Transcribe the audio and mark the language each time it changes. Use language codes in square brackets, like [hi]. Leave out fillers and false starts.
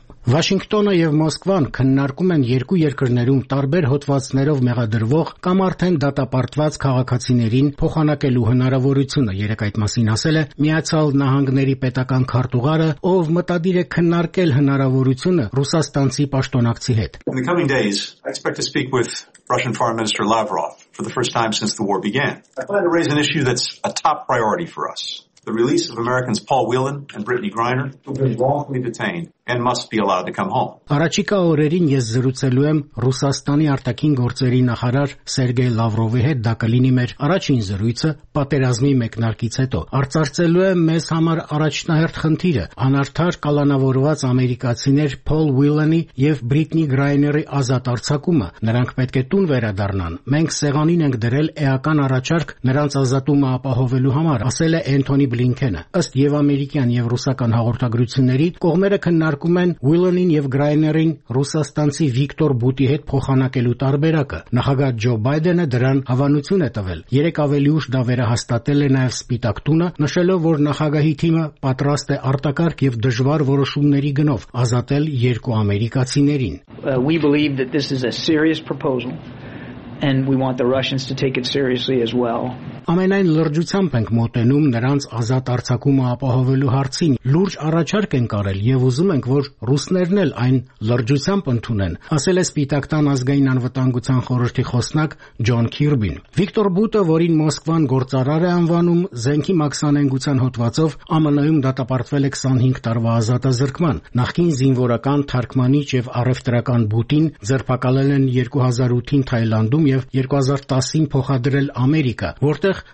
[hy] Վաշինգտոնը եւ Մոսկվան քննարկում են երկու երկրներում տարբեր հոդվածներով մեղադրվող կամ արդեն դատապարտված քաղաքացիներին փոխանակելու հնարավորությունը, երեկ այդ մասին ասել է Միացյալ Նահանգների պետական քարտուղարը, ով մտադիր է քննարկել հնարավորությունը ռուսաստանցի պաշտոնակցի հետ։ [en] In the coming days, I expect to speak with Russian Foreign Minister Lavrov for the first time since the war began. I plan to raise an issue that's a top priority for us. The release of Americans Paul Whelan and Brittany Griner, who have been wrongfully detained and must be allowed to come home. [hy] Արաջիկա օրերին ես զրուցելու եմ Ռուսաստանի արտաքին գործերի նախարար Սերգեյ Լավրովի հետ, դա կլինի մեր առաջին զրույցը պատերազմի մեկնարկից հետո։ Արծարծելու եմ մեզ համար առաջնահերթ խնդիրը՝ անարդար կալանավորված ամերիկացիներ Paul Whelan-ի եւ Brittany Griner-ի ազատ արձակումը։ Նրանք պետք է տուն վերադառնան։ Մենք սեղանին ենք դրել էական առաջարկ նրանց ազատումը ապահովելու համար, ասել է Anthony Blinken-ը։ Ըստ եվամերիկյան եւ ռուսական հաղորդագրությունների, կողմերը քննարկում են Whelan-ին եւ Griner-ին ռուսաստանցի Վիկտոր Բուտի հետ փոխանակելու տարբերակը։ Նախագահ Ջո Բայդենը դրան հավանություն է տվել։ Երեկ ավելի ուշ դա վերահաստատել է նաեւ Սպիտակ տունը, նշելով, որ նախագահի թիմը պատրաստ է արտակարգ եւ դժվար որոշումների գնով ազատել երկու ամերիկացիներին։ [en] We believe that this is a serious proposal and we want the Russians to take it seriously as well. [hy] Ամենայն լրջությամբ ենք մոտենում նրանց ազատ արձակումը ապահովելու հարցին։ Լուրջ առաջարկ են կարել եւ ուզում ենք, որ ռուսներն էլ այն լրջությամբ ընդունեն, ասել է Սպիտակ տան ազգային անվտանգության խորհրդի խոսնակ Ջոն Քիրբին։ Վիկտոր Բուտը, որին Մոսկվան գործարար է անվանում, Զենքի Մաքսանենգության հոդվածով ԱՄՆ-ում դատապարտվել է 25 տարվա ազատազրկման։ Նախկին զինվորական թարգմանիչ եւ առևտրական Բուտին ձերբակալել են 2008-ին Թայլանդում եւ 2010-ին փոխադրել Ամերիկա, որտեղ